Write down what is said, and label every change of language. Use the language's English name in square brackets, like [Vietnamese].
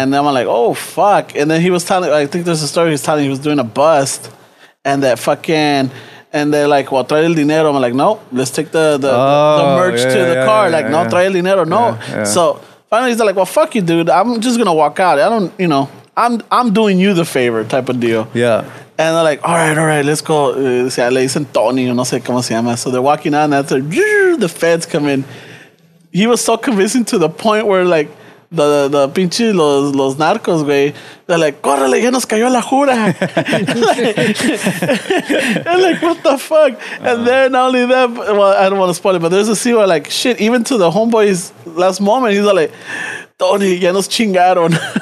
[English] And then I'm like, oh, fuck. And then he was telling, I think there's a story he was telling, he was doing a bust and that fucking, and they're like, well, [Spanish] trae el dinero. [English] I'm like, no, let's take the merch to the car. Yeah, like, yeah, no, yeah. [Spanish] Trae el dinero. [English] No. Yeah, yeah. So finally, he's like, well, fuck you, dude. I'm just going to walk out. I don't, you know, I'm doing you the favor type of deal. Yeah. And they're like, all right, let's go. [Spanish] Le dicen Tony, no sé cómo se llama. [English] So they're walking out, and after the feds come in. He was so convincing to the point where, like, the [Spanish] pinche los narcos, güey, [English] they're like, [Spanish] córrele, ya nos cayó la jura. [English] And like, what the fuck? Uh-huh. And then not only that, well, I don't want to spoil it, but there's a scene where like, shit, even to the homeboy's last moment, he's like, Tony, [Spanish] ya nos chingaron.